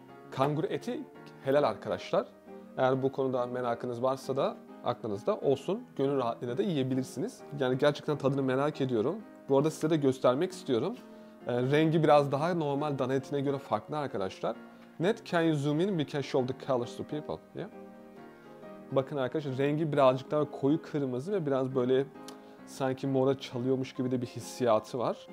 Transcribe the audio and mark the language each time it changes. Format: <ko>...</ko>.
<tr>Kanguru eti helal arkadaşlar. Eğer bu konuda merakınız varsa da aklınızda olsun. Gönül rahatlığıyla da yiyebilirsiniz. Yani gerçekten tadını merak ediyorum. Bu arada size de göstermek istiyorum. Rengi biraz daha normal dana etine göre farklı arkadaşlar.</tr> <en>Net, can you zoom in? We can show the colors to people. Yeah.</en> <tr>Bakın arkadaşlar rengi birazcık daha koyu kırmızı ve biraz böyle sanki mora çalıyormuş gibi de bir hissiyatı var.</tr>